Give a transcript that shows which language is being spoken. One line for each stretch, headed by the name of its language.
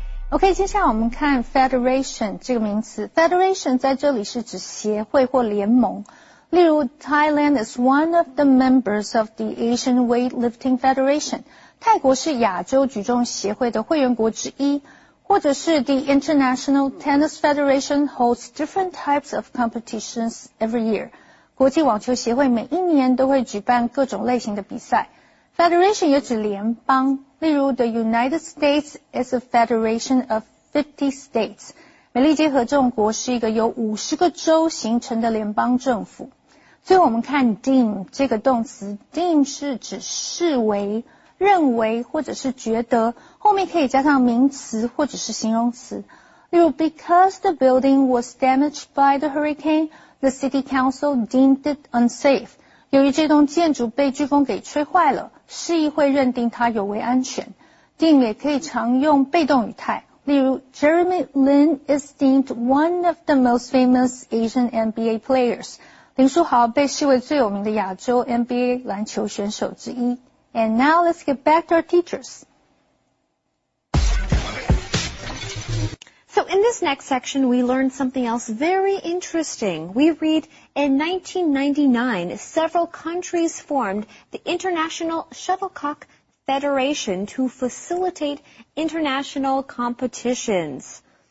Chinese: OK, 接下来我们看 Federation 这个名词。Federation 在这里是指协会或联盟。例如
English: Thailand is one of the members of the Asian Weightlifting Federation.
Chinese: 泰国是亚洲举重协会的会员国之一。或者是
English: the International Tennis Federation holds different types of competitions every year.
Chinese: 国际网球协会每一年都会举办各种类型的比赛。 Federation 也指联邦。例如
English: the United States is a federation of 50 states.
Chinese: 美利坚合众国是一个由50个州形成的联邦政府。最后我们看 deem 这个动词， deem 是指视为、认为或者是觉得，后面可以加上名词或者是形容词。例如
English: because the building was damaged by the hurricane, the city council deemed it unsafe.
Chinese: 由于这栋建筑被飓风给吹坏了，市议会认定它有违安全。 deem 也可以常用被动语态，
English: Jeremy Lin is deemed one of the most famous Asian NBA players.
Chinese: 林书豪被视为最有名的亚洲 NBA 篮球选手之一。
English: And now let's get back to our teachers. So in this next section, we learn something else very interesting. We read, in 1999, several countries formed the International Shuttlecock Federation to facilitate international competitions.